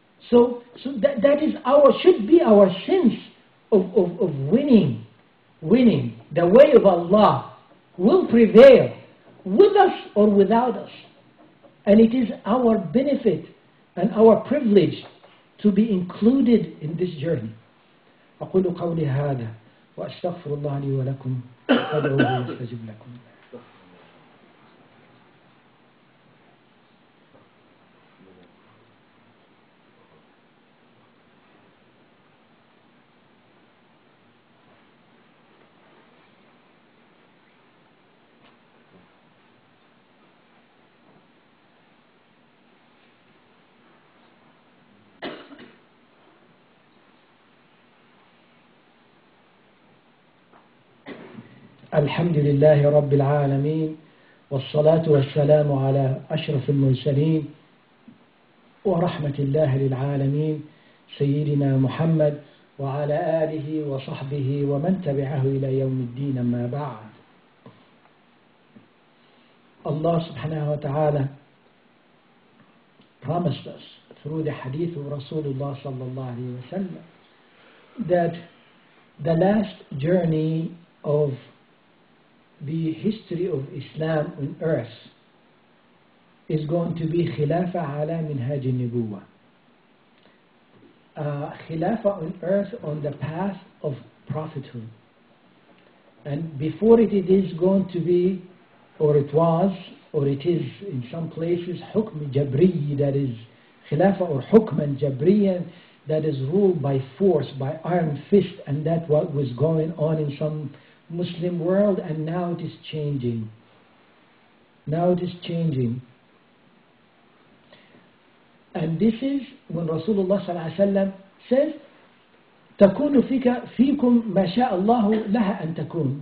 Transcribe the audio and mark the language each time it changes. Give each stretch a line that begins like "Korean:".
English: So that is our, should be our sense of winning. The way of Allah will prevail with us or without us. And it is our benefit and our privilege to be included in this journey.
Arabic: أقول قولي هذا وأستغفر الله لي ولكم وأدعوه يستجب لكم. الحمد لله رب العالمين والصلاة والسلام على أشرف المرسلين ورحمة الله للعالمين سيدنا محمد وعلى آله وصحبه ومن تبعه إلى يوم الدين ما بعد. الله سبحانه وتعالى
English: promised us through the hadith of
Arabic: رسول الله صلى الله عليه وسلم
English: that the last journey of the history of Islam on earth is going to be khilafa ala minhaj an-nubuwah. Khilafa on earth on the path of prophethood. And before it, it is going to be, or it was, or it is in some places, hukm jabriyyi, that is khilafa, or hukm jabriyyan, that is ruled by force, by iron fist, and that what was going on in some Muslim world, and now it is changing. Now it is changing. And this is when Rasulullah
Arabic: صلى الله عليه وسلم
English: says,
Arabic: تكون فيك فيكم ما شاء الله لها أن تكون.